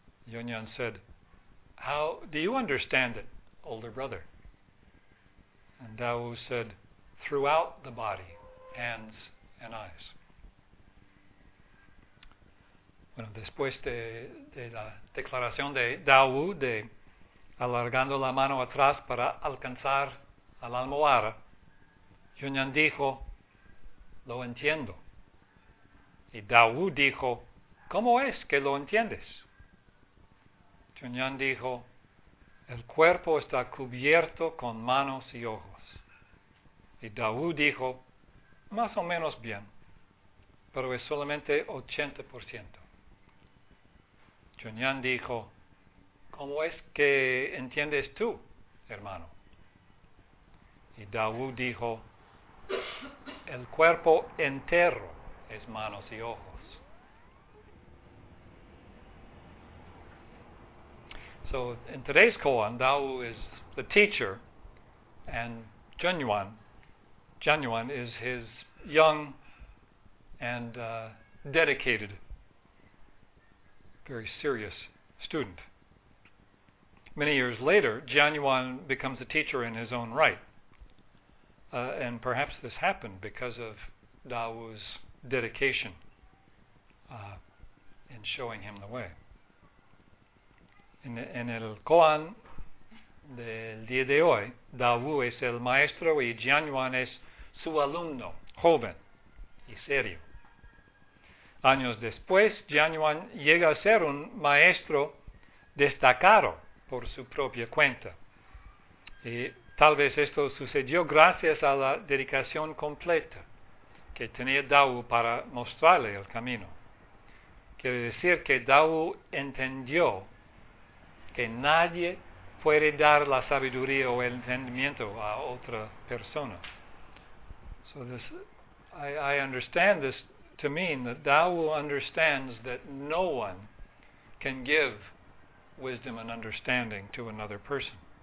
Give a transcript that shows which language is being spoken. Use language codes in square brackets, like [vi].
[en] Yunyan said, "How do you understand it, older brother?" And Daowu said, "Throughout the body, hands and eyes." [es] Bueno, después de la declaración de Daowu de alargando la mano atrás para alcanzar a la almohada, Yunyan dijo, "Lo entiendo." Y Daowu dijo, "¿Cómo es que lo entiendes?" Yunyan dijo, "El cuerpo está cubierto con manos y ojos." Y Daowu dijo, "Más o menos bien, pero es solamente 80%." Yunyan dijo, "¿Cómo es que entiendes tú, hermano?" Y Daowu dijo, "El cuerpo entero es manos y ojos." [en] So in today's koan, Dao is the teacher, and Junyuan is his young and dedicated, very serious student. Many years later, Junyuan becomes a teacher in his own right. And perhaps this happened because of Dawu's dedication in showing him the way. [es] En el koan del día de hoy, Dawu es el maestro y Junyuan es su alumno, joven y serio. Años después, Junyuan llega a ser un maestro destacado por su propia cuenta. Y tal vez esto sucedió gracias a la dedicación completa que tenía Dawu para mostrarle el camino. Quiere decir que Dawu entendió que nadie puede dar la sabiduría o el entendimiento a otra persona. [en] So this, I understand this to mean that Dawu understands that no one can give wisdom and understanding to another person.